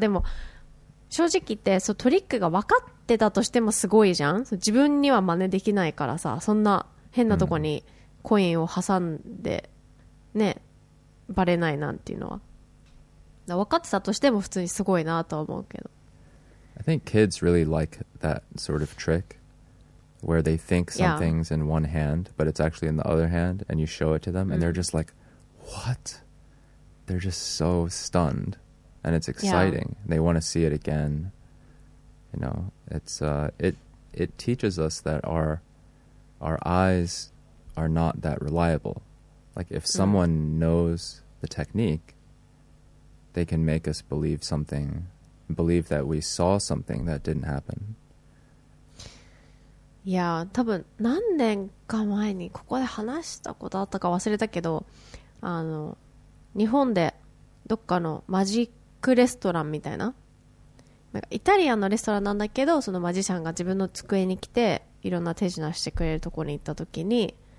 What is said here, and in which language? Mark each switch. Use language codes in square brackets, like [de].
[ja] でも正直言ってそのトリックが分かってたとしてもすごいじゃん。自分には真似できないからさ、そんな変なとこにコインを挟んでね、バレないなんていうのは、だから分かってたとしても普通にすごいなとは思うけど。 [en] I think kids really like that sort of trick where they think something's in one hand but it's actually in the other hand and you show it to them and they're just like, what? They're just so stunned and it's exciting. They want to see it again. You know, it's, it teaches us that our eyes are not that reliable. Like, if someone knows the technique, they can make us believe something, believe that we saw something that didn't happen. [ja] Yeah, 多分何年か前にここで話したことあったか忘れたけど、あの日本でどっかのマジックレストランみたいな、なんかイタリアンのレストランなんだけど、そのマジシャンが自分の机に来ていろんな手品してくれるところに行った時に、